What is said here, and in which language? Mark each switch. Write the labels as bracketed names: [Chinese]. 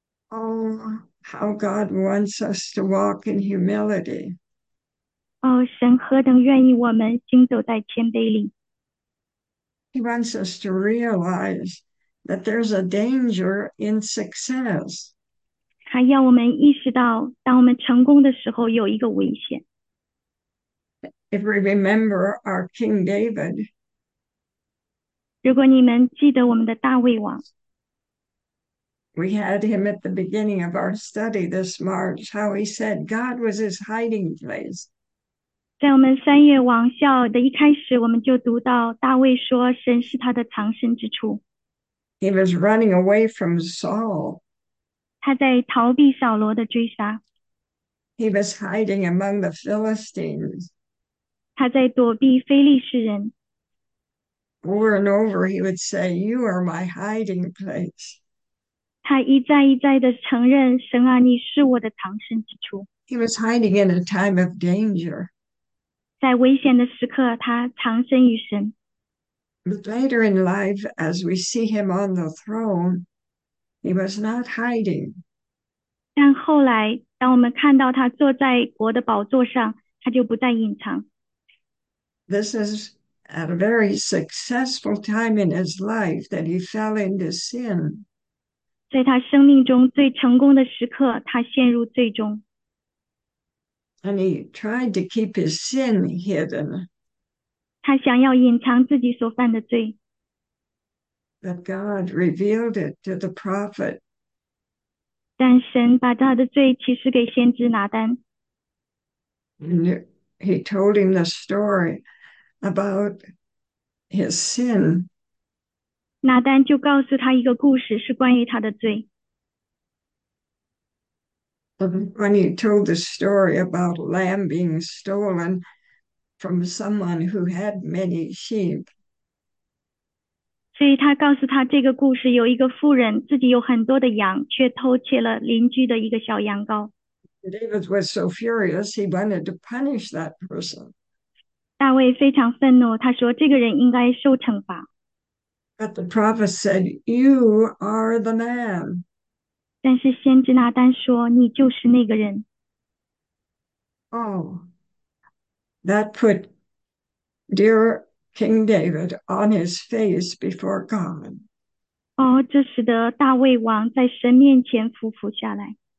[English] Oh, how God wants us to walk in humility. [Chinese] 哦，神何等愿意我们行走在谦卑里。 [English] He wants us to realize that there's a danger in success. [Chinese] 还要我们意识到，当我们成功的时候，有一个危险。 [English] If we remember our King David, [Chinese] 如果你们记得我们的大卫王， [English] we had him at the beginning of our study this March, how he said God was his hiding place. [Chinese] 在我们三月王校的一开始，我们就读到大卫说：“神是他的藏身之处。” [English] He was running away from Saul. [Chinese] 他在逃避扫罗的追杀。 [English] He was hiding among the Philistines. [Chinese] 他在躲避非利士人。 [English] Over and over, he would say, "You are my hiding place." [Chinese] 他一再一再的承认，神啊，你是我的藏身之处。 [English] He was hiding in a time of danger. [Chinese] 在危险的时刻，他藏身于神。 [English] But later in life, as we see him on the throne, he was not hiding. [Chinese] 但后来，当我们看到他坐在国的宝座上，他就不再隐藏。 [English] This is at a very successful time in his life that he fell into sin. [Chinese] 在他生命中最成功的时刻，他陷入最终。 [English] And he tried to keep his sin hidden. [Chinese] 他想要隐藏自己所犯的罪。 [English] But God revealed it to the prophet. [Chinese] 但神把他的罪启示给先知拿单。 [English] And he told him the story about his sin. [Chinese] 拿单就告诉他一个故事，是关于他的罪。 [English] When he told the story about a lamb being stolen from someone who had many sheep, [Chinese] 所以他告诉他这个故事，有一个妇人自己有很多的羊，却偷窃了邻居的一个小羊羔。 [English] David was so furious he wanted to punish that person. [Chinese] 大卫非常愤怒，他说这个人应该受惩罚。 [English] But the prophet said, "You are the man." [Chinese] 但是先知拿单说：“你就是那个人。 [English] Oh, that put dear King David on his face before God. [Chinese] ”哦，这使得大卫王在神面前匍匐下来。